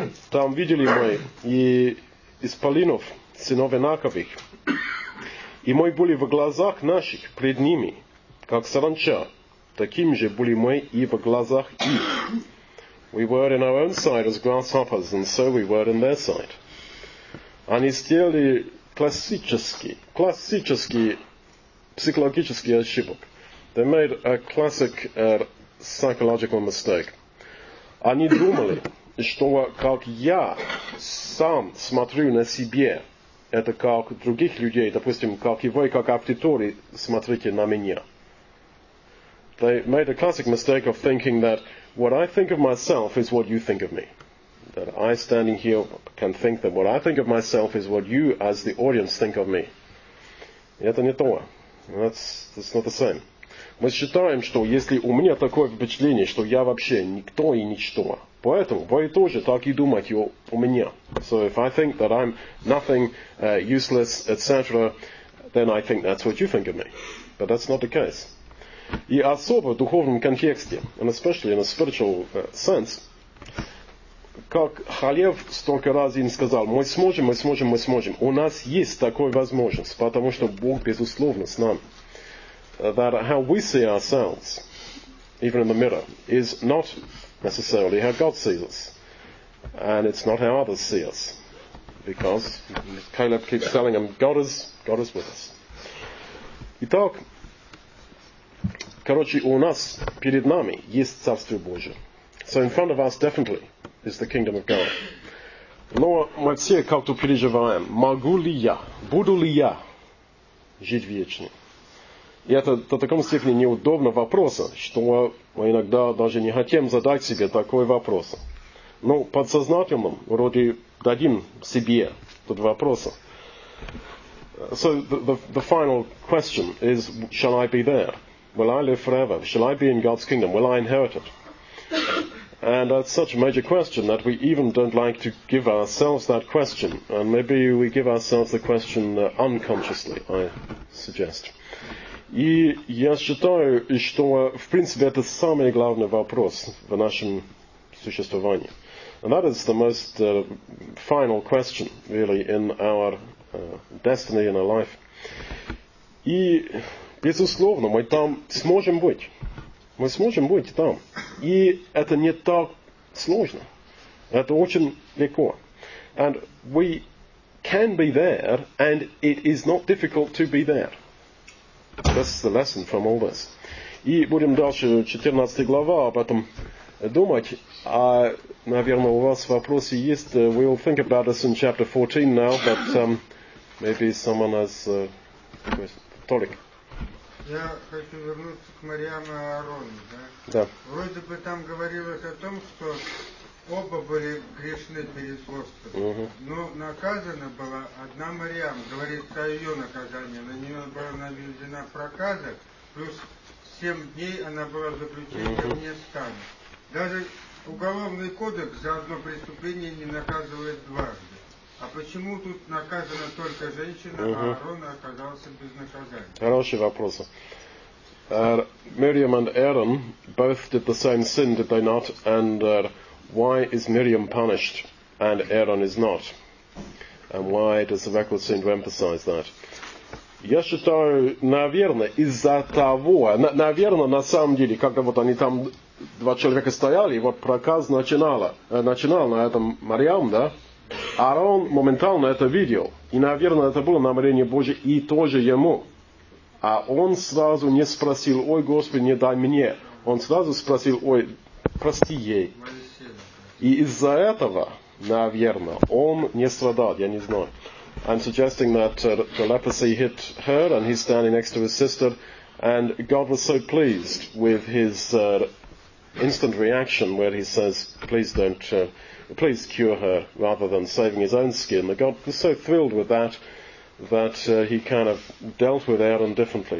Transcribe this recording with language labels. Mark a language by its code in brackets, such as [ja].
[ru] Там видели мы и исполинов, сынов Инаковых. И мы были в глазах наших пред ними, как саранча, таким же были мы и в глазах их. [en] We were in our own sight as grasshoppers, and so we were in their sight. [ru] Они сделали классический психологический ошибок. [en] They made a classic psychological mistake. [ru] Они думали, что как я сам смотрю на себе, это как других людей, допустим, как и вы, как аудитории, смотрите на меня. [en] They made a classic mistake of thinking that what I think of myself is what you think of me. That I standing here can think that what I think of myself is what you as the audience think of me. [ru] Это не то. [en] That's not the same. [ru] Мы считаем, что если у меня такое впечатление, что я вообще никто и ничто, поэтому вы тоже так и думаете о мне. [en] So if I think that I'm nothing, useless, etc., then I think that's what you think of me. But that's not the case. [ru] И особо в духовном контексте, [en] and especially in a spiritual sense, [ru] как Халев столько раз им сказал, мы сможем, мы сможем, мы сможем. У нас есть такая возможность, потому что Бог безусловно с нами. [en] That how we see ourselves, even in the mirror, is not necessarily how God sees us. And it's not how others see us. Because Caleb keeps telling him, God is with us. [ru] Итак, короче, у нас перед нами есть Царствие Божие. [en] So in front of us definitely is the kingdom of God. [ru] Но мы все как-то переживаем, могу ли я, буду ли я жить вечно? И это до таком степени неудобно вопроса, что мы иногда даже не хотим задать себе такой вопрос. Но подсознательным вроде дадим себе тот вопрос. [en] So the final question is, shall I be there? Will I live forever? Shall I be in God's kingdom? Will I inherit it? And that's such a major question that we even don't like to give ourselves that question. And maybe we give ourselves the question unconsciously, I suggest. [ru] И я считаю, что, в принципе, это самый главный вопрос в нашем существовании. [en] And that is the most final question, really, in our destiny, in our life. [ru] И, безусловно, мы там сможем быть. Мы сможем быть там. И это не так сложно. Это очень легко. [en] And we can be there, and it is not difficult to be there. This is the lesson from all this. [ru] И будем дальше, 14 глава, об этом думать. А, наверное, у вас вопросы есть. [en] We'll think about this in chapter 14 now, but maybe someone has a question. [ru] Толик. Я хочу вернуться к Мариам и Аарону. Да? Да. Вроде бы там говорилось о том, что оба были грешны перед Господом. Uh-huh. Но наказана была одна Мариам. Говорится о ее наказании. На нее была наведена проказа. Плюс 7 дней она была в заключении, uh-huh. вне стана. Даже уголовный кодекс за одно преступление не наказывает дважды. А почему тут наказана только женщина, uh-huh. а Аарон оказался без наказания? Хороший вопрос. [en] Miriam and Aaron both did the same sin, did they not? And why is Miriam punished and Aaron is not? And why does the record seem to emphasize that? [ru] Я считаю, наверное, из-за того, наверное, на самом деле, когда вот они там, два человека стояли, вот проказ начинал на этом Мариам, да? Аарон моментально это видел. И, наверное, это было намерение Божие и тоже ему. А он сразу не спросил, ой, Господи, не дай мне. Он сразу спросил, ой, прости ей. И из-за этого, наверное, он не страдал, я не знаю. [en] I'm suggesting that the leprosy hit her and he's standing next to his sister and God was so pleased with his instant reaction where he says, please don't, please cure her rather than saving his own skin. And God was so thrilled with that that he kind of dealt with Aaron differently.